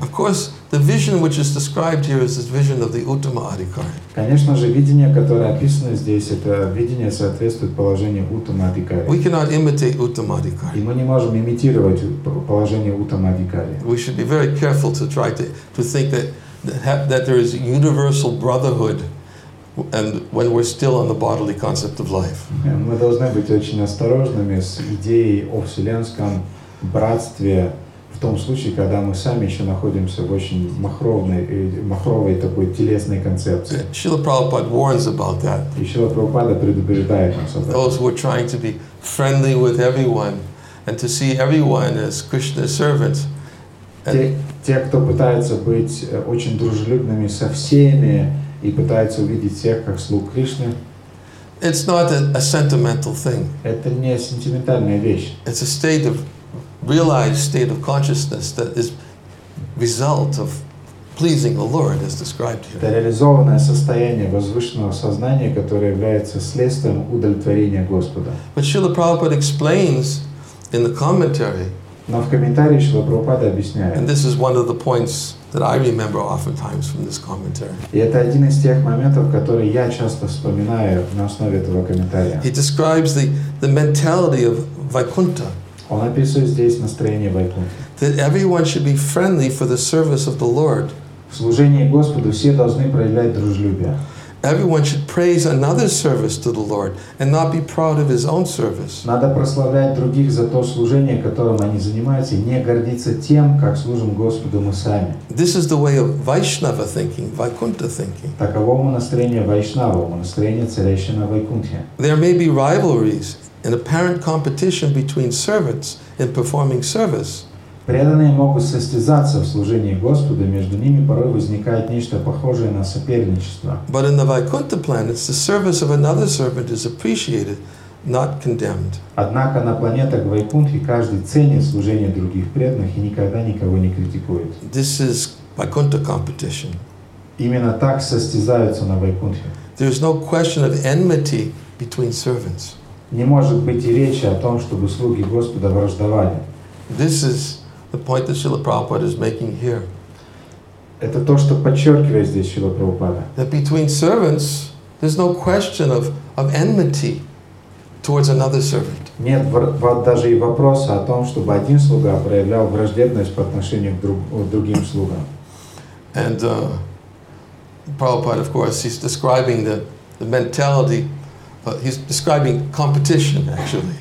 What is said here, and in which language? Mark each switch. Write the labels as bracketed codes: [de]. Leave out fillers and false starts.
[en] Of course, the vision which is described here is the vision of the Uttama Adhikari. [ru] Конечно же, видение, которое описано здесь, это видение соответствует положению Uttama Adhikari. [en] We cannot imitate Uttama Adhikari. [ru] И мы не можем имитировать положение Uttama Adhikari. [en] We should be very careful to try to think that there is a universal brotherhood and when we're still on the bodily concept of life. [ru] Мы должны быть очень осторожными с идеей о вселенском братстве в том случае, когда мы сами еще находимся в очень махровой такой телесной концепции. [en] Шрила Прабхупада warns about that. [ru] И Шрила Прабхупада предупреждает нас об этом. [en] Those who are trying to be friendly with everyone and to see everyone as Krishna's servants [ru] Те, кто пытается быть очень дружелюбными со всеми и пытается увидеть всех как слуг Кришны, [en] it's not a sentimental thing. [ru] Это не сентиментальная вещь. [en] It's a state of realized state of consciousness that is result of pleasing the Lord, as described here. [ru] Это реализованное состояние возвышенного сознания, которое является следствием удовлетворения Господа. [en] But Srila Prabhupada explains in the commentary. [ru] Но в комментарии Шрила Прабхупада объясняет. [en] And this is one of the points that I remember oftentimes from this commentary. [ru] И это один из тех моментов, которые я часто вспоминаю на основе этого комментария. [en] He describes the mentality of Vaikuntha. [ru] Он описывает здесь настроение Вайкунты. [en] That everyone should be friendly for the service of the Lord. [ru] В служении Господу все должны проявлять дружелюбие. [en] Everyone should praise another's service to the Lord and not be proud of his own service. [ru] Надо прославлять других за то служение, которым они занимаются, и не гордиться тем, как служим Господу мы сами. [en] This is the way of Vaishnava thinking, Vaikuntha thinking. [ru] Таково настроение Вайшнава, настроение царящее на Вайкунте. [en] There may be rivalries, an apparent competition between servants in performing service. [ru] Преданные могут состязаться в служении Господу, между ними порой возникает нечто похожее на соперничество. [en] But in the Vaikuntha planets, the service of another servant is appreciated, not condemned. [ru] Однако на планетах Вайкунтхи каждый ценит служение других преданных и никогда никого не критикует. [en] This is Vaikuntha competition. [ru] Именно так состязаются на Вайкунтхе. [en] There is no question of enmity between servants. [ru] Не может быть и речи о том, чтобы слуги Господа враждовали. [en] This is the point that Srila Prabhupada is making here. [ru] Это то, что подчеркивает здесь Srila Prabhupada. [en] That between servants, there's no question of enmity towards another servant. [ru] Нет даже и вопроса о том, чтобы один слуга проявлял враждебность по отношению к другим слугам. [en] And Prabhupada, of course, he's describing the mentality. He's describing competition, actually.